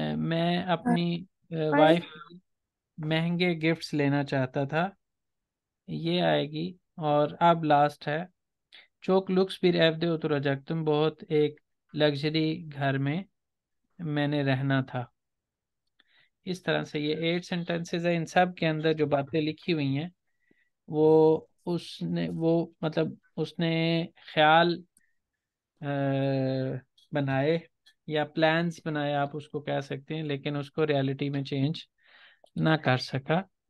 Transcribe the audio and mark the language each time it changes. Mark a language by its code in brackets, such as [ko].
[hi] मैं अपनी वाइफ महंगे गिफ्ट्स लेना चाहता था। ये आएगी और अब लास्ट है, [tr] çok lüks bir evde oturacaktım. [hi] बहुत एक लग्जरी घर में मैंने रहना था. इस तरह से ये 8 सेंटेंसेज है. इन सब के अंदर जो बातें लिखी हुई हैं वो मतलब उसने ख्याल बनाए या प्लान्स बनाए, आप उसको कह सकते हैं, लेकिन उसको रियलिटी में चेंज ना कर सका.